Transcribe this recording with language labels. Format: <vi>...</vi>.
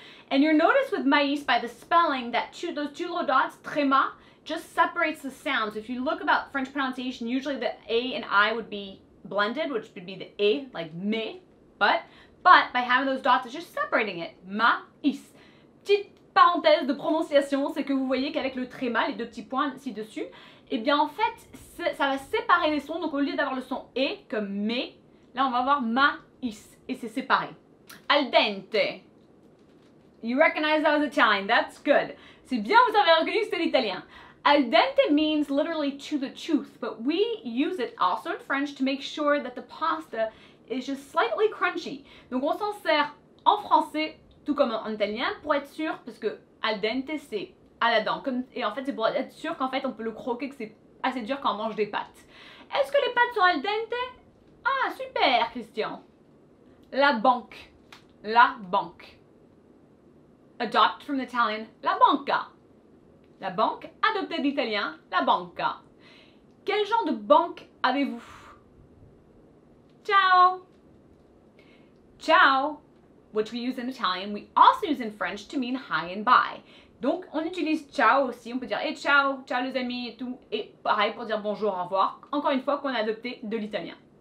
<en>And you'll notice with maïs by the spelling that those two little dots, tréma, just separates the sounds. If you look about French pronunciation, usually the A and I would be blended, which would be the A, like me, but by having those dots, it's just separating it.</en> <fr>Maïs. Petite parenthèse de prononciation, c'est que vous voyez qu'avec le tréma, les deux petits points ci-dessus, eh bien en fait, ça va séparer les sons. Donc au lieu d'avoir le son E comme me, là on va avoir maïs et c'est séparé. Al dente.</fr> <en>You recognize that was Italian, that's good.</en> <fr>C'est bien, vous avez reconnu que c'est l'italien.</fr> <en>Al dente means literally to the tooth, but we use it also in French to make sure that the pasta is just slightly crunchy.</en> <fr>Donc on s'en sert en français, tout comme en italien, pour être sûr, parce que al dente c'est à la dent. Et en fait c'est pour être sûr qu'en fait on peut le croquer, que c'est assez dur quand on mange des pâtes. Est-ce que les pâtes sont al dente? Ah, super Christian. La banque. La banque.</fr> <en>Adopt from the Italian,</en> <fr>la banca. La banque, adoptée d'italien, la banca. Quel genre de banque avez-vous? Ciao!</fr> <en>Ciao, which we use in Italian, we also use in French to mean hi and bye.</en> <fr>Donc, on utilise ciao aussi, on peut dire hey, ciao, ciao les amis et tout. Et pareil pour dire bonjour, au revoir, encore une fois qu'on a adopté de l'italien.</fr>